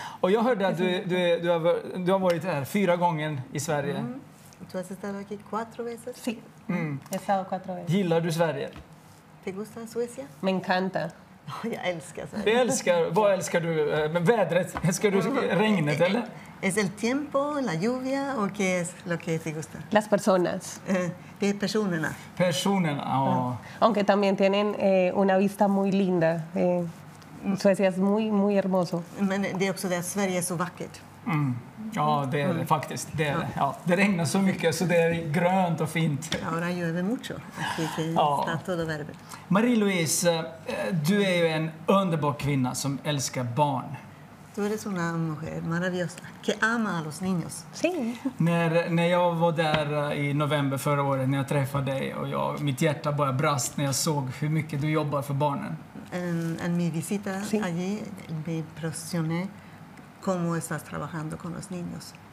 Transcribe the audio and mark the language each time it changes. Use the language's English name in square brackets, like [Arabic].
[Swedish] Och jag hörde att du har varit här fyra gånger i Sverige. [Spanish] Tú has estado aquí cuatro veces. Sí. He estado cuatro veces. [Swedish] Gillar du Sverige? [Spanish] ¿Te gusta Suecia? Me encanta. [Swedish] Jag älskar Sverige. Jag älskar. Vad älskar du? Men vädret? Älskar du regnet eller? [Spanish] Es el tiempo, la lluvia o qué es lo que te gusta? Las personas. [Swedish] Personerna. Personerna. Oh. [Spanish] Aunque también tienen una vista muy linda. Suecia es muy muy hermoso. [Swedish] Men det är också det att Sverige är så vackert. Mm. Ja, det är det faktiskt. Det, är, ja. Ja, det regnar så mycket så det är grönt och fint. [Spanish] Ahora llueve mucho. Aquí está todo verde. [Swedish] Marie-Louise, du är ju en underbar kvinna som älskar barn. Du är en [Spanish] mujer maravillosa que ama a los niños. Sí. [Swedish] När jag var där i november förra året när jag träffade dig och mitt hjärta bara brast när jag såg hur mycket du jobbar för barnen. [Spanish] En mi visita sí. Allí me impresioné cómo estás trabajando con los niños.